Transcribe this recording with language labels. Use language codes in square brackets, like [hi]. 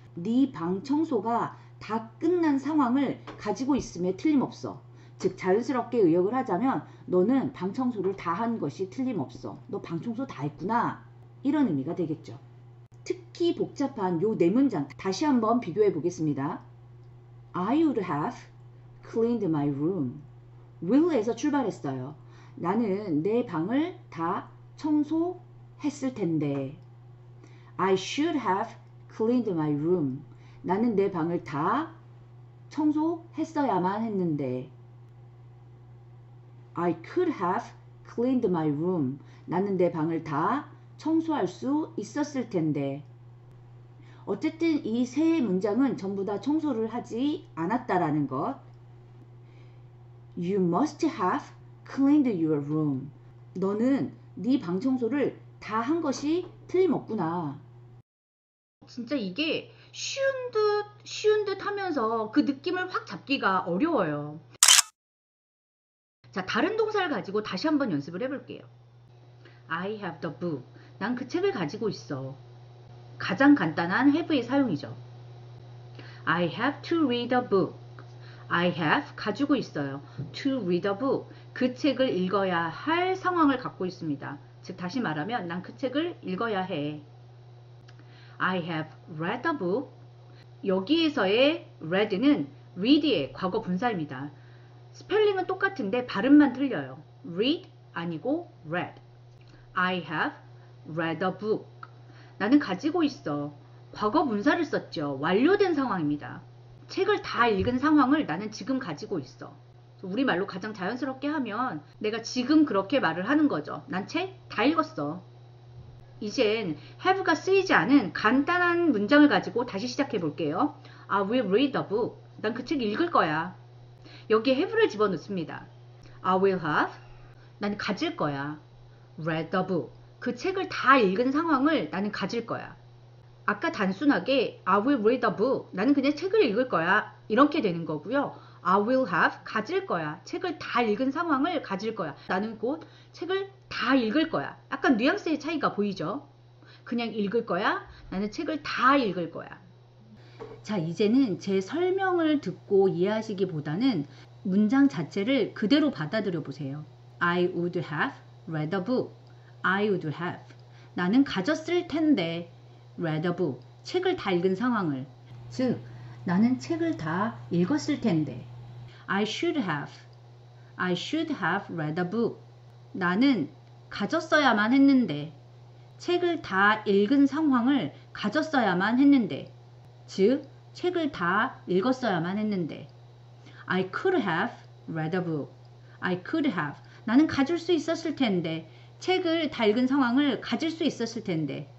[ko] 네 방 청소가 다 끝난 상황을 가지고 있음에 틀림없어. 즉 자연스럽게 의역을 하자면 너는 방 청소를 다 한 것이 틀림없어. 너 방 청소 다 했구나. 이런 의미가 되겠죠. 특히 복잡한 요 네 문장 다시 한번 비교해 보겠습니다. [en] I would have cleaned my room. [ko] will에서 출발했어요. 나는 내 방을 다 청소했을 텐데. [en] I should have cleaned my room. [ko] 나는 내 방을 다 청소했어야만 했는데. [en] I could have cleaned my room. [ko] 나는 내 방을 다 청소할 수 있었을 텐데. 어쨌든 이 세 문장은 전부 다 청소를 하지 않았다라는 것. [en] You must have cleaned your room. [ko] 너는 네 방 청소를 다 한 것이 틀림없구나. 진짜 이게 쉬운 듯 하면서 그 느낌을 확 잡기가 어려워요. 자, 다른 동사를 가지고 다시 한번 연습을 해볼게요. [en] I have the book. [ko] 난 그 책을 가지고 있어. 가장 간단한 have의 사용이죠. [en] I have to read a book. I have [ko] 가지고 있어요. [en] To read a book. [ko] 그 책을 읽어야 할 상황을 갖고 있습니다. 즉 다시 말하면 난 그 책을 읽어야 해. [en] I have read a book. [ko] 여기에서의 read는 read의 과거 분사입니다. 스펠링은 똑같은데 발음만 틀려요. read 아니고 read. [en] I have read a book. [ko] 나는 가지고 있어. 과거 분사를 썼죠. 완료된 상황입니다. 책을 다 읽은 상황을 나는 지금 가지고 있어. 우리말로 가장 자연스럽게 하면 내가 지금 그렇게 말을 하는 거죠. 난 책 다 읽었어. 이젠 have가 쓰이지 않은 간단한 문장을 가지고 다시 시작해 볼게요. [en] I will read the book. [ko] 난 그 책 읽을 거야. 여기에 have를 집어넣습니다. [en] I will have. [ko] 난 가질 거야. [en] Read the book. [ko] 그 책을 다 읽은 상황을 나는 가질 거야. 아까 단순하게 [en] I will read the book. [ko] 나는 그냥 책을 읽을 거야. 이렇게 되는 거고요. [en] I will have. [ko] 가질 거야. 책을 다 읽은 상황을 가질 거야. 나는 곧 책을 다 읽을 거야. 약간 뉘앙스의 차이가 보이죠? 그냥 읽을 거야. 나는 책을 다 읽을 거야. 자, 이제는 제 설명을 듣고 이해하시기보다는 문장 자체를 그대로 받아들여 보세요. [en] I would have read the book. I would have. [ko] 나는 가졌을 텐데. [en] Read a book. [ko] 책을 다 읽은 상황을. 즉, 나는 책을 다 읽었을 텐데. [en] I should have. I should have read a book. [ko] 나는 가졌어야만 했는데. 책을 다 읽은 상황을 가졌어야만 했는데. 즉, 책을 다 읽었어야만 했는데. [en] I could have read a book. I could have. [ko] 나는 가질 수 있었을 텐데. 책을 다 읽은 상황을 가질 수 있었을 텐데.